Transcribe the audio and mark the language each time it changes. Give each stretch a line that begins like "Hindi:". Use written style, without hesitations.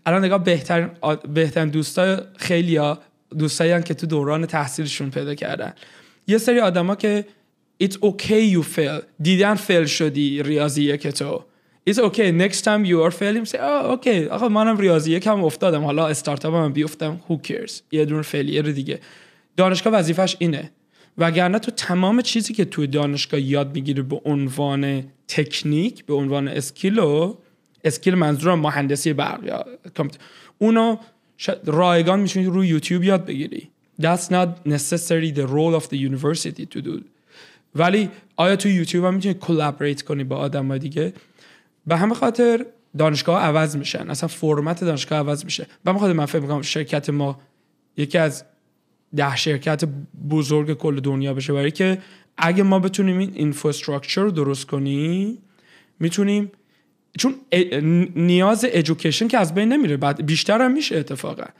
Persian: الان نگاه بهترین دوستای خیلیا دوستایی هم که تو دوران تحصیلشون پیدا کردن، یه سری آدم ها که
English: it's okay you fail،
Persian: دیدن fail شدی ریاضی یک تو،
English: it's okay next time you are failing say oh okay
Persian: آقا منم ریاضی یکم افتادم، حالا استارتاپ هم بیفتم
English: who cares،
Persian: یه دون فیلی یه دیگه. دانشگاه وظیفش اینه، وگرنه تو تمام چیزی که تو دانشگاه یاد میگیری به عنوان تکنیک، به عنوان اسکیل، و اسکیل منظورم مهندسی برق یا اونو رایگان میتونی روی یوتیوب یاد بگیری.
English: That's not necessary the role of the university to do.
Persian: ولی آیا تو یوتیوب هم میتونی کلابریت کنی با آدم های دیگه؟ به همه خاطر دانشگاه ها عوض میشن، اصلا فرمت دانشگاه عوض میشه. به همه خاطر من فکر میکنم شرکت ما یکی از 10 شرکت بزرگ کل دنیا بشه، برای که اگه ما بتونیم این انفراستراکچر رو درست کنیم میتونیم، چون نیاز ادویکیشن که از بین نمیره، بعد بیشتر هم میشه اتفاقا.